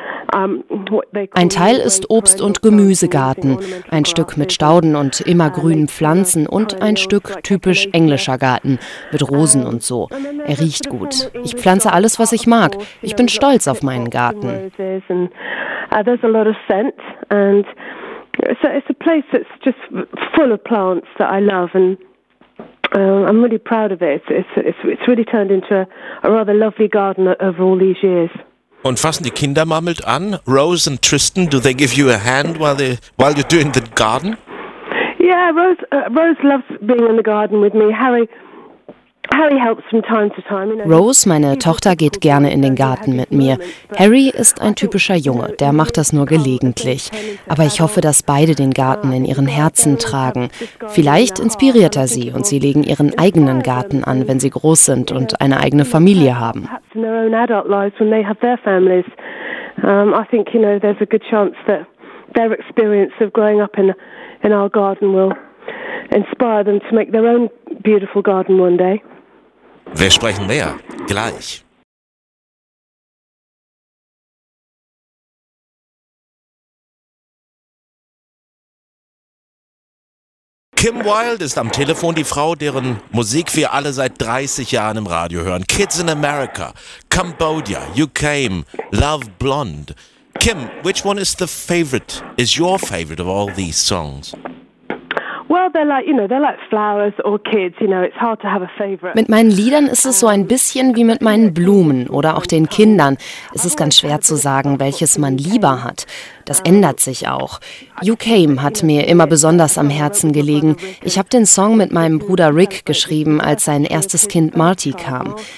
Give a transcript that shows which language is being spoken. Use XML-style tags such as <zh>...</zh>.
<de>Ein Teil ist Obst- und Gemüsegarten, ein Stück mit Stauden und immergrünen Pflanzen und ein Stück typisch englischer Garten mit Rosen und so. Er riecht gut. Ich pflanze alles, was ich mag. Ich bin stolz auf meinen Garten.</de> <en>There's a lot of scent and so it's a place that's just full of plants that I love and I'm really proud of it. It's really turned into a rather lovely garden over all these years.</en> <de>Und fassen die Kinder mammelt an?</de> <en>Rose and Tristan, do they give you a hand while you're doing the garden? Yeah, Rose loves being in the garden with me. Harry helps from time to time.</en> <de>Rose, meine Tochter, geht gerne in den Garten mit mir. Harry ist ein typischer Junge, der macht das nur gelegentlich. Aber ich hoffe, dass beide den Garten in ihren Herzen tragen. Vielleicht inspiriert er sie und sie legen ihren eigenen Garten an, wenn sie groß sind und eine eigene Familie haben.</de> <en>In their own adult lives when they have their families. I think, you know, there's a good chance that their experience of growing up in our garden will inspire them to make their own beautiful garden one day.</en> <de>Wir sprechen mehr gleich. Kim Wilde ist am Telefon, die Frau, deren Musik wir alle seit 30 Jahren im Radio hören. Kids in America, Cambodia, You Came, Love Blonde.</de> <en>Kim, which one is your favorite of all these songs? Well, they're like flowers or kids, you know, it's hard to have a favorite.</en> <de>Mit meinen Liedern ist es so ein bisschen wie mit meinen Blumen oder auch den Kindern. Es ist ganz schwer zu sagen, welches man lieber hat. Das ändert sich auch. You Came hat mir immer besonders am Herzen gelegen. Ich habe den Song mit meinem Bruder Rick geschrieben, als sein erstes Kind Marty kam.</de>